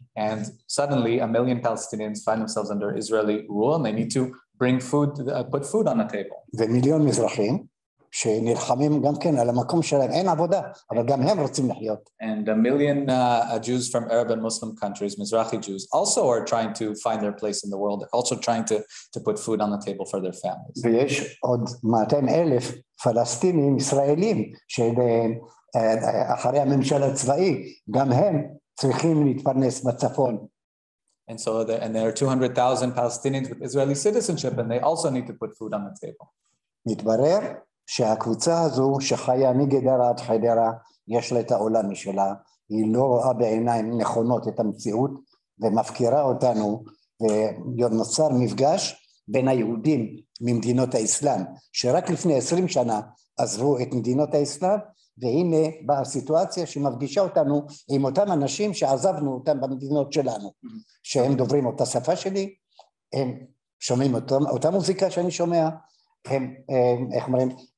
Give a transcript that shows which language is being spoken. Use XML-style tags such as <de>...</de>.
<en>And suddenly a million Palestinians find themselves under Israeli rule and they need to bring food, put food on the table. The million Mizrahim.</en> <he>שנלחמים גם כן על המקום שלהם, אין עבודה, אבל גם הם רוצים לחיות.</he> <en>And a million Jews from Arab and Muslim countries, Mizrahi Jews, also are trying to find their place in the world, also trying to put food on the table for their families.</en> <he>ויש עוד 200,000 פלסטינים ישראלים, שאחרי הממשל הצבאי, גם הם צריכים להתפרנס בצפון.</he> <en>And so there are 200,000 Palestinians with Israeli citizenship, and they also need to put food on the table.</en> <he>מתברר, שהקבוצה הזו שחיה מגדרה עד חדרה, יש לה את העולם שלה, היא לא רואה בעיניים נכונות את המציאות, ומפקירה אותנו, ונוצר מפגש בין היהודים ממדינות האסלאם, שרק לפני 20 שנה עזבו את מדינות האסלאם, והנה באה סיטואציה שמפגישה אותנו עם אותם אנשים שעזבנו אותם במדינות שלנו, שהם דוברים אותה שפה שלי, הם שומעים אותה מוזיקה שאני שומע, הם איך אומרים,</he>